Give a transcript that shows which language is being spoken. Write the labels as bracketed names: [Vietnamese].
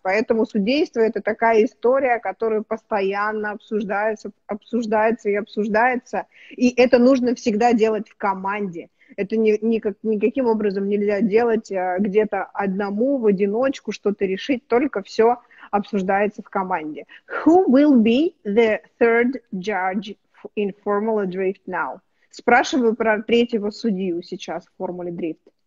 [Russian] Поэтому судейство — это такая история, которая постоянно обсуждается. И это нужно всегда делать в команде. Это никаким образом нельзя делать где-то одному, в одиночку, что-то решить. Только все обсуждается в команде. [English] Who will be the third judge in Formula Drift now? [Russian] Спрашиваю про третьего судью сейчас в Формуле Дрифт.